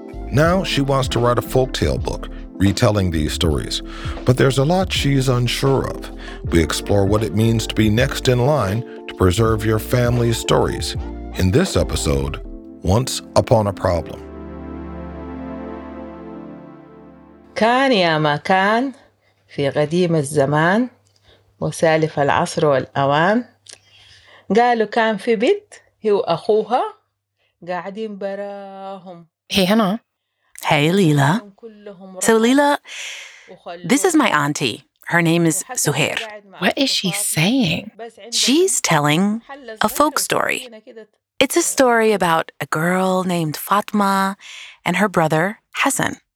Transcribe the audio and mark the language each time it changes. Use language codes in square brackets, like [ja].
[en] Now she wants to write a folktale book, retelling these stories. But there's a lot she's unsure of. We explore what it means to be next in line to preserve your family's stories. In this episode, Once Upon a Problem. [ar] كان يا ما كان في قديم الزمان مسالف العصر والأوان قالوا كان في بيت هي وأخوها قاعدين براهم. [en] Hey Hana. Hey Leela. So Leela, this is my auntie. Her name is Suhair. What is she saying? She's telling a folk story. It's a story about a girl named Fatma and her brother Hassan.